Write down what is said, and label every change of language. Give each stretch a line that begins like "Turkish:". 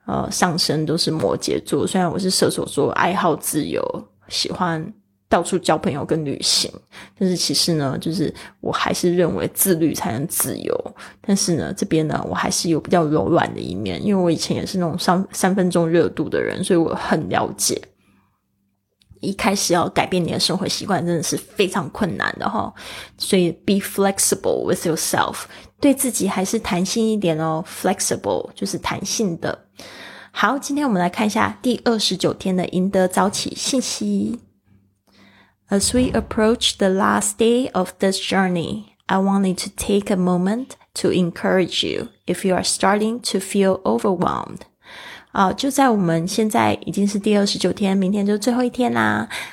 Chinese: 上升都是摩羯座，虽然我是射手座，爱好自由，喜欢到处交朋友跟旅行，但是其实呢就是我还是认为自律才能自由，但是呢这边呢我还是有比较柔软的一面，因为我以前也是那种三分钟热度的人，所以我很了解一开始要改变你的生活习惯真的是非常困难的齁。所以
English: be flexible with yourself,
Chinese: 对自己还是弹性一点哦， flexible 就是弹性的。好，今天我们来看一下第29天的赢得早起信息。
English: As we approach the last day of this journey, I wanted to take a moment to encourage you if you are starting to feel overwhelmed.
Chinese: 就在我们现在已经是第29天，明天就最后一天啦。